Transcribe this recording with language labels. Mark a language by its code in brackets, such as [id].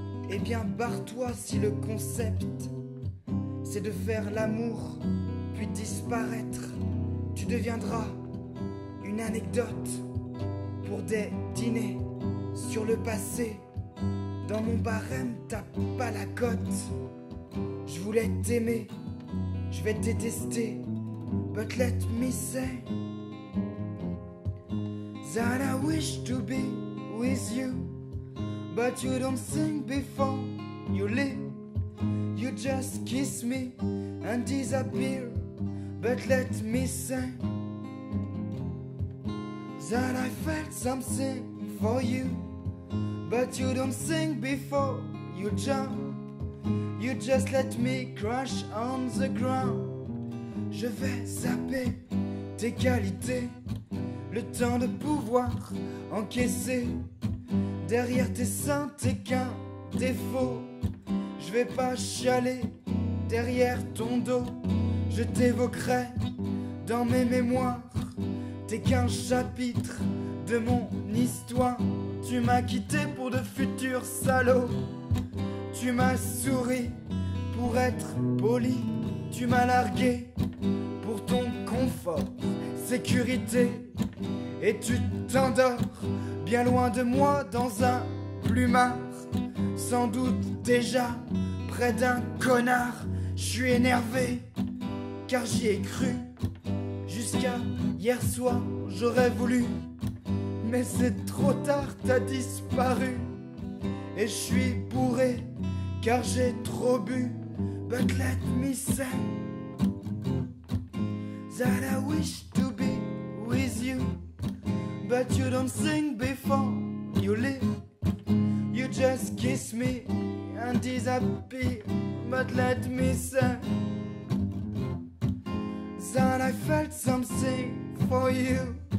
[fr] Eh bien barre-toi si le concept c'est de faire l'amour puis disparaître. Tu deviendras une anecdote pour des dîners sur le passé. Dans mon barème t'as pas la cote. Je voulais t'aimer, je vais te détester. [en] But let me say that I wish to be with you. But you don't sing before you leave. You just kiss me and disappear. But let me say that I felt something for you. But you don't sing before you jump. You just let me crash on the ground. [fr] Je vais zapper tes qualités, le temps de pouvoir encaisser. Derrière tes seins t'es qu'un défaut. Je vais pas chialer derrière ton dos. Je t'évoquerai dans mes mémoires. T'es qu'un chapitre de mon histoire. Tu m'as quitté pour de futurs salauds. Tu m'as souri pour être poli. Tu m'as largué pour ton confort, sécurité. Et tu t'endors bien loin de moi dans un plumard. Sans doute déjà près d'un connard. Je suis énervé car j'y ai cru. Jusqu'à hier soir j'aurais voulu, mais c'est trop tard, t'as disparu. Et je suis bourré car j'ai trop bu. [en] But let me say that I wish to be with you. But you don't sing before you leave. You just kiss me and disappear. But let me say that I felt something for you.